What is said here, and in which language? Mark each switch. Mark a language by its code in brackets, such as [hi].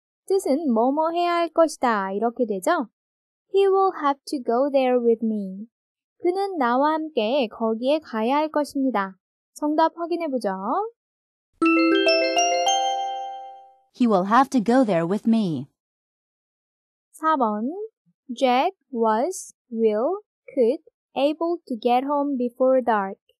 [ko] 뜻은 뭐뭐 해야 할 것이다 이렇게 되죠? [en] He will have to go there with me. [ko] 그는 나와 함께 거기에 가야 할 것입니다. 정답 확인해보죠. [en] He will have to go there with me. [ko] 4번. [en] Jack was, will, could, able to get home before dark.